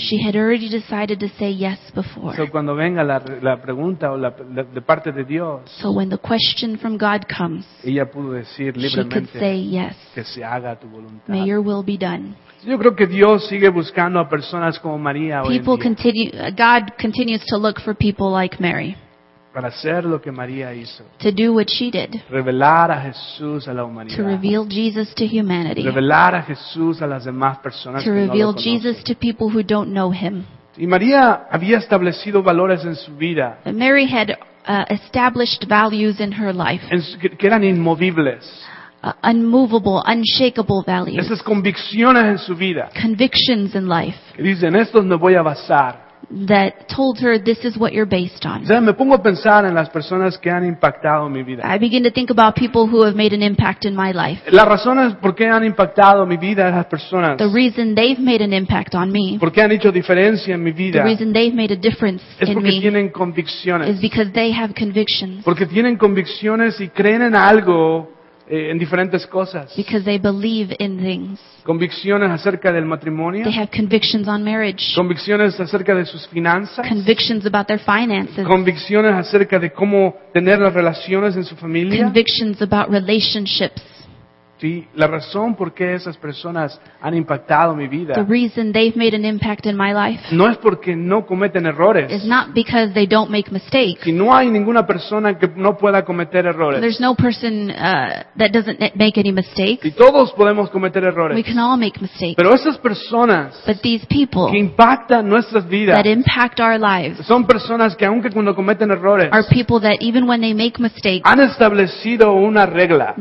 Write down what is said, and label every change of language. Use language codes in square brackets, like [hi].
[en] She had already decided to say yes before. [es] So cuando venga la pregunta o la de parte de Dios, [en] so when the question from God comes, [es] ella pudo decir libremente, [en] she could say yes, [es] que se haga tu voluntad. [en] May your will be done. [es] Yo creo que Dios sigue buscando a personas como María hoy en día. [en] God continues to look for people like Mary. [es] Para hacer lo que María hizo. [en] To do what she did. [es] Revelar a Jesús a la humanidad. [en] To reveal Jesus to humanity. [es] Revelar a Jesús a las demás personas que no lo conocen. [en] To reveal Jesus to people who don't know him. [es] Y María había establecido valores en su vida. [en] Mary had established values in her life. [es] Que eran inmovibles. [en] Unmovable, unshakable values. [es] Esas convicciones en su vida. [en] Convictions in life. [es] Que dicen, en estos me voy a basar. [en] That told her this is what you're based on. [es] Ya me pongo a pensar en las personas que han impactado mi vida. [en] I begin to think about people who have made an impact in my life. [es] La razón es por qué han impactado mi vida esas personas. [en] The reason they've made an impact on me. [es] Porque han hecho diferencia en mi vida. [en] The reason they've made a difference in me. [es] Es porque tienen convicciones. [en] Is because they have convictions. [es] Porque tienen convicciones y creen en algo. En diferentes cosas. [en] Because they believe in things. [es] Convicciones acerca del matrimonio. [en] They have convictions on marriage. [es] Convicciones acerca de sus finanzas. [en] Convictions about their finances. [es] Convicciones acerca de cómo tener las relaciones en su familia. [en] Convictions about relationships. [es] Sí, la razón por qué esas personas han impactado mi vida. [en] The reason they've made an impact in my life. [es] No es porque no cometen errores. [en] It's not because they don't make mistakes. [es] Y no hay ninguna persona que no pueda cometer errores. [en] There's no person that doesn't make any mistakes. [es] Y todos podemos cometer errores. [en] We can all make mistakes. [es] Pero esas personas. [en] But these people. [es] Que impactan nuestras vidas. [en] That impact our lives. [es] Son personas que aunque cuando cometen errores. [en] Are people that even when they make mistakes. [es] Han establecido una regla.